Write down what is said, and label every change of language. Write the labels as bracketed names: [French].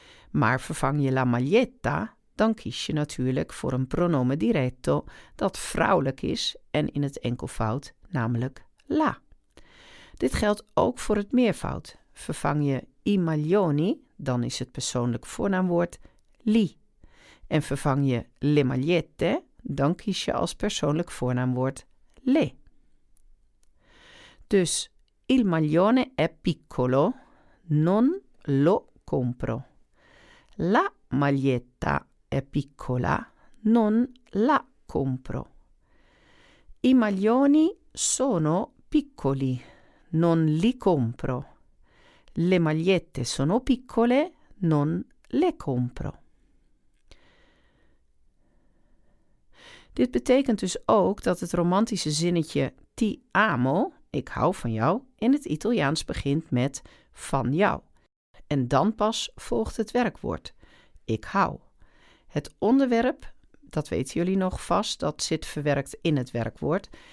[Dutch] Maar vervang je [Italian] la maglietta, [Dutch] dan kies je natuurlijk voor een [Italian] pronome diretto [Dutch] dat vrouwelijk is en in het enkelvoud, namelijk la. Dit geldt ook voor het meervoud. Vervang je [Italian] i maglioni, [Dutch] dan is het persoonlijk voornaamwoord li. En vervang je [Italian] le magliette, [Dutch] dan kies je als persoonlijk voornaamwoord le. [Italian] Dus il maglione è piccolo, non lo compro. La maglietta è piccola, non la compro. I maglioni sono piccoli, non li compro. Le magliette sono piccole, non le compro. [Dutch] Dit betekent dus ook dat het romantische zinnetje [Italian] ti amo, [Dutch] ik hou van jou, in het Italiaans begint met van jou. En dan pas volgt het werkwoord. Ik hou. Het onderwerp, dat weten jullie nog vast, dat zit verwerkt in het werkwoord.